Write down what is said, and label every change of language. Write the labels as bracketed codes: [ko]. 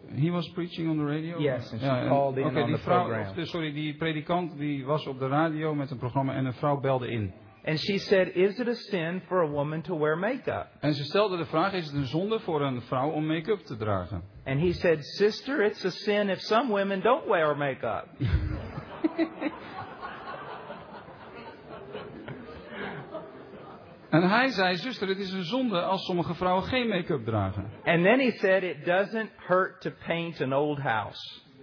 [en] He was preaching on the radio. Yes, and she called in on the program. [nl] Sorry, die predikant die was op de radio met een programma en een vrouw belde in. [en] And she said, is it a sin for a woman to wear makeup? [nl] En ze stelde de vraag, is het een zonde voor een vrouw om make-up te dragen? [en] And he said, sister, it's a sin if some women don't wear makeup. [nl] En hij zei, zuster, het is een zonde als sommige vrouwen geen make-up dragen. [en] And then he said, it doesn't hurt to paint an old house.